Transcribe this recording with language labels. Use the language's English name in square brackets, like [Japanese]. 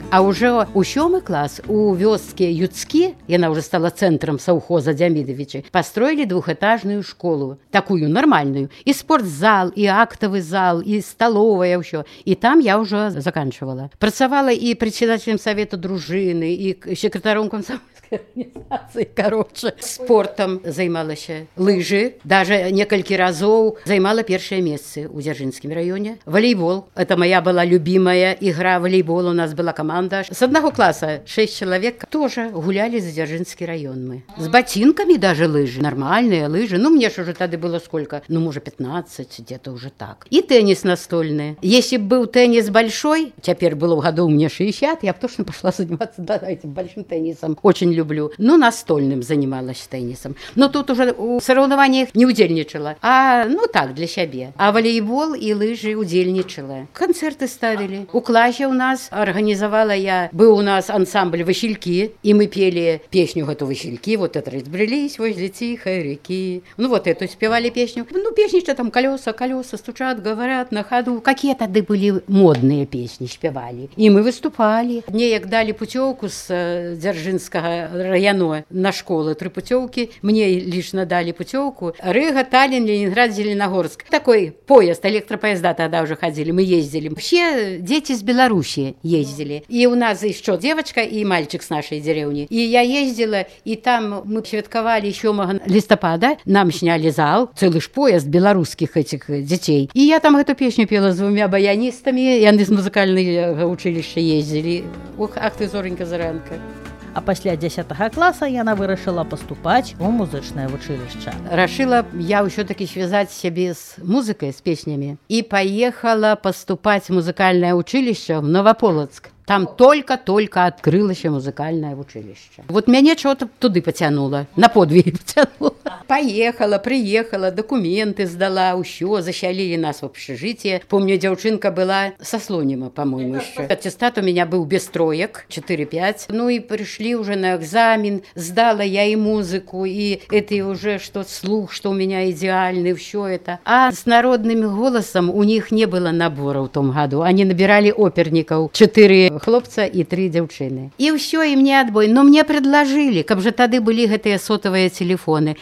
[Belarusian] А ўжо ў 7 клас у вёске Юцкі, яна ўжо стала цэнтрам саўхоза Дзямідавічы, пастроілі двухэтажную школу, такую нармальную, і спортзал, і актавы зал, і сталовая, ўсё. І там я ўжо заканчывала. Працавала і прэдседателем савета дружыны, і секретаром камсамольскай арганізацыі, короче, спортам займалася. Лыжы, даже некалькі разоў займала першае месца у Дзяржынскім раёне. Валейбол. Это моя была любімая ігра валейбол. У нас была каманда. С аднаго класа 6 чалавек тоже гулялі за Дзяржынскі раён мы. З бацінкамі даже лыжы. Нармальныя лыжы. Ну, мне ж уже тады было сколько? Ну, можа, 15, дзе-то уже так. [Russian] І тэніс настольны. Если б быў тэніс большой, цяпер было в году мне 60, я б точно пошла заниматься этим большим тэнісом. Очень люблю. Ну, настольным занималась тэнісом. Но тут уже у соревнованиях не удзельнічала. [Belarusian] А, ну, так, для сябе. А валейбол і лыжы удзельнічала. Канцэрты ставілі. У класе ў нас арганізавала я, быў у нас ансамбль «Васількі», і мы пелі песню гэту «Васількі», [Russian] вот это разбрылись возле тихой рэкі. [Belarusian] Ну, вот эту спевалі песню. Ну, песні, што там [Russian] «Калёса, калёса стучат, гаварят на хаду». [Belarusian] Какія тады былі модныя песні спевалі. І мы выступалі. Мне як далі пуцёўку з Дзяржынскага раяно на школы, тры пуцёўкі, мне лішна далі пуцёўку. Рыга, Талін, Ленінград, Зеленагорск. [Russian] Такой поезд, электропоезда тогда уже ходили, мы ездили. Все дети из Беларуси ездили. И у нас еще девочка и мальчик с нашей деревни. И я ездила, и там мы святковали 7 листопада. Нам сняли зал, целый ж поезд белорусских этих детей. И я там эту песню пела с двумя баянистами. И они из музыкального училища ездили. Ох, ах ты, зоренька, заранка. [Belarusian] А пасля 10 класа яна вырашыла паступаць у музычнае вучылішча. Рашыла я ўсё-такі звязаць сябе з музыкай, з песнямі. І паехала паступаць у музыкальнае вучылішча в Наваполацк. Там только-только открылася музыкальнае вучылішча. Вот мяне чаго-то туды пацянула, на подвіг пацянула. Паехала, прыехала, дакументы здала, ўсё, засялілі нас у общежитие. Помню, дзяўчынка была са Слоніма, па-моему, ещё. Аттестат у меня быў без троек, 4-5. Ну і прышлі ўже на экзамен, здала я і музыку, і это ўже што слух, што ў меня ідэальны, ўсё это. А з народным голасам у них не было набора ў том году. Они набіралі опернікаў, 4 хлопца і 3 дзяўчыны. І ўсё, і мне адбой. Но мне предложили, каб же тады былі гэтыя сотовыя телефоны.